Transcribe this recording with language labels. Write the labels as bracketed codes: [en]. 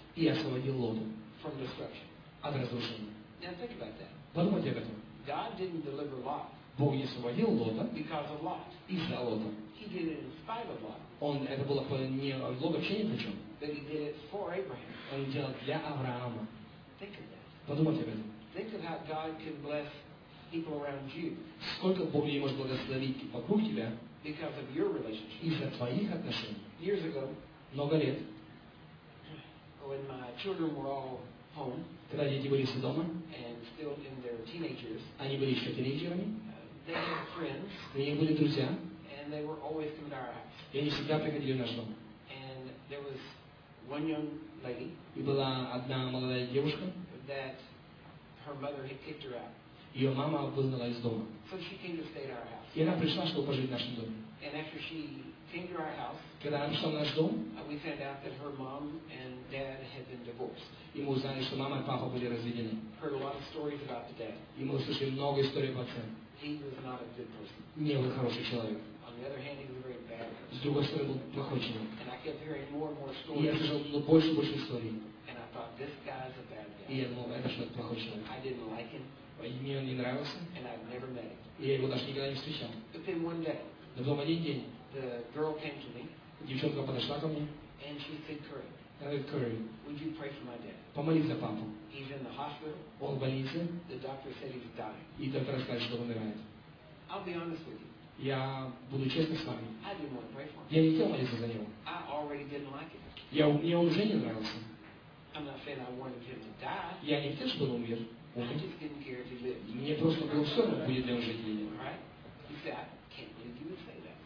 [ru] И освободил Лота. [en] From destruction. [ru] От разрушения. [en] Now think about that. [ru] Подумайте об этом. [en] God didn't deliver Lot. [ru] Бог не освободил Лота. [en] Because of Lot. [ru] Из-за Лота. [en] He did it in spite of Lot. [ru] Он это было не Лот вообще ни при чем. [en] But he did it for Abraham. [ru] Он делал для Авраама. [en] Think of that. [ru] Подумайте об этом. [en] Think of how God can bless people around you. [ru] Сколько Бог не может благословить вокруг тебя? [en] Because of your relationship. [ru] Из-за твоих отношений. [en] Years ago. [ru] Много лет. [en] When my children were all home. [ru] Когда дети были все дома. [en] And still in their teenagers. [ru] Они были еще тинейджерами. [en] They had friends. [ru] У них были друзья. [en] And they were always coming to our house. [ru] И они всегда приходили в наш дом. [en] And there was one young lady. [ru] И была одна молодая девушка. [en] That her mother had kicked her out. [ru] Ее мама выгнала из дома. [en] So she came to stay at our house. [ru] И она пришла, чтобы пожить в нашем доме. [en] And after she came to our house, [ru] когда она пришла в наш дом, [en] we found out that her mom and dad had been divorced. [ru] И мы узнали, что мама и папа были разведены. [en] Heard a lot of stories about the dad. [ru] И мы услышали много историй об отце. [en] He was not a good person. [ru] Не был хороший человек. [en] On the other hand, he was a very bad person. [ru] С другой стороны, был плохой человек. [en] And I kept hearing more and more stories. [ru] И я слышал больше и больше историй. [en] And I thought this guy's a bad guy. [ru] И я думал, это что-то плохой человек. [en] I didn't like him. [ru] Мне он не нравился. [en] And I've never met him. [ru] И я его даже никогда не встречал. [en] But then one day. [ru] Но потом один день. [en] The girl came to me. [ru] Девчонка подошла ко мне. [en] And she said, "Curry." [ru] Она говорит, "Curry." [en] Would you pray for my dad? [ru] Помолись за папу. [en] He's in the hospital. [ru] Он в больнице. [en] The doctor said he's dying. [ru] И доктор сказал, что умирает. [en] I'll be honest with you. [ru] Я буду честен с вами. [en] I didn't want to pray for him. [ru] Я не хотел молиться за него. [en] I already didn't like him. [ru] Я мне он уже не нравился. [en] I'm not saying I wanted him to die. [ru] Я не хотел, чтобы он умер. [en] I just didn't care if he lived. [ru] Мне просто было все равно, будет ли он жить или нет. [en] Right? He said, "I can't believe you would say that."